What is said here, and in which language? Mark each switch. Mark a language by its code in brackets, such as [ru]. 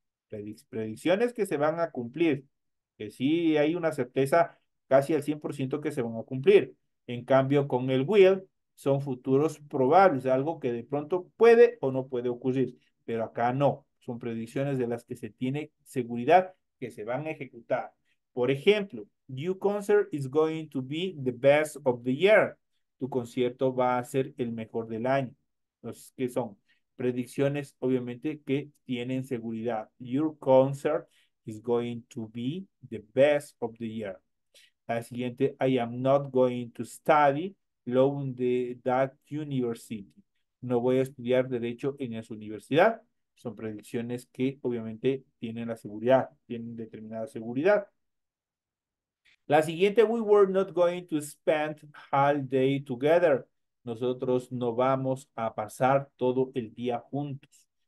[es] Predicciones que se van a cumplir. Que sí hay una certeza casi al 100% que se van a cumplir. En cambio, con el will, son futuros probables, algo que de pronto puede o no puede ocurrir. Pero acá no. Son predicciones de las que se tiene seguridad que se van a ejecutar. Por ejemplo, [en] your concert is going to be the best of the year. [es] Tu concierto va a ser el mejor del año. Entonces, ¿qué son? Predicciones, obviamente, que tienen seguridad. [en] Your concert is going to be the best of the year. [es] La siguiente, [en] I am not going to study law in that university. [es] No voy a estudiar derecho en esa universidad. Son predicciones que, obviamente, tienen la seguridad, tienen determinada seguridad. La siguiente, [en] we were not going to spend all day together. [es] Nosotros no vamos a pasar todo el día juntos.